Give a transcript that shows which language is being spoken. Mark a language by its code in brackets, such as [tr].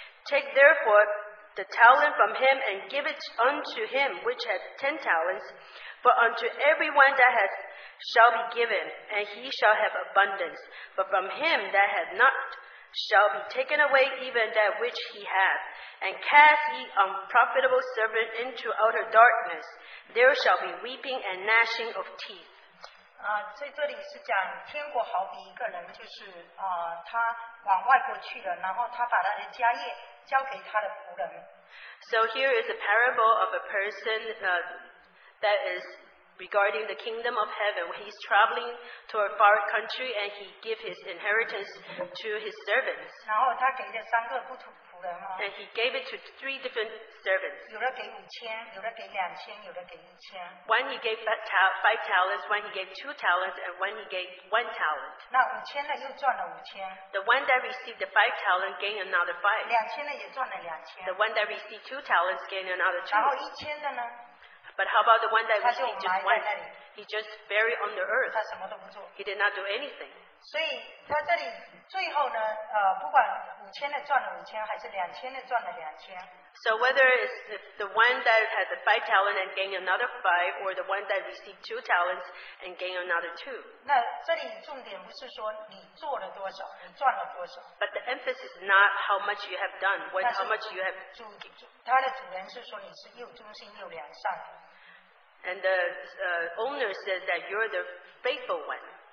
[en] Take therefore the talent from him, and give it unto him which hath 10 talents, for unto every one that hath shall be given, and he shall have abundance, but from him that hath not shall be taken away even that which he hath. And cast ye unprofitable servant into outer darkness, there shall be weeping and gnashing of teeth. [zh] 所以这里是讲天国好比一个人，就是他往外国去了，然后他把他的家业交给他的仆人。 [en] So here is a parable of a person that is regarding the kingdom of heaven. He's traveling to a far country and he gave his inheritance to his servants. [zh] 然后他给了三个不同仆人啊。 [en] And he gave it to 3 different servants. [zh] 有的给五千，有的给两千，有的给一千。 [en] One he gave 5 talents, one he gave 2 talents, and one he gave 1 talent. [zh] 那五千的又赚了五千。 [en] The one that received the 5 talents gained another 5. [zh] 两千的也赚了两千。 [en] The one that received 2 talents gained another 2. [zh] 然后一千的呢？ [en] But how about the one that was just one? He just buried on the earth. He did not do anything. [zh] 所以他这里最后呢, 不管五千的赚了五千还是两千的赚了两千, [en] so whether it's the one that had the 5 talents and gained another 5, or the one that received 2 talents and gained another 2. [zh] 那这里重点不是说你做了多少, 你赚了多少, [en] but the emphasis is not how much you have done, but how much you have... [zh] 他的主人是说你是又忠心又良善, [en] and the owner says that you're the faithful one.